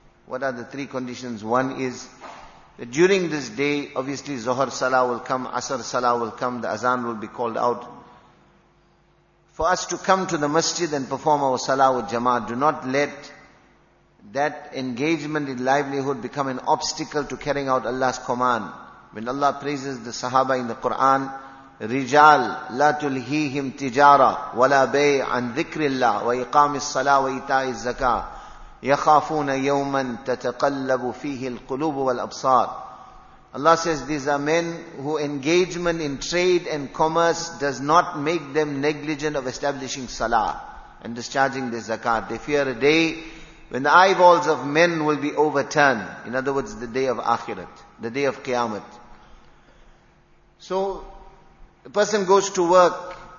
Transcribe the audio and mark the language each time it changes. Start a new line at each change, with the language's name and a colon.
English: What are the 3 conditions? One is that during this day, obviously Zuhr Salah will come, Asr Salah will come, the Azan will be called out. For us to come to the masjid and perform our Salah with Jama'ah, do not let that engagement in livelihood become an obstacle to carrying out Allah's command. When Allah praises the Sahaba in the Quran,
Arabic: رجال لا تلهيهم تجارة ولا بيع عن ذكر الله وإقام الصلاة وإيتاء الزكاة يخافون يوما تتقلب فيه القلوب والأبصار.
English: Allah says, these are men who engagement in trade and commerce does not make them negligent of establishing salah and discharging their zakat. They fear a day when the eyeballs of men will be overturned. In other words, the day of akhirat, the day of qiyamah. So the person goes to work.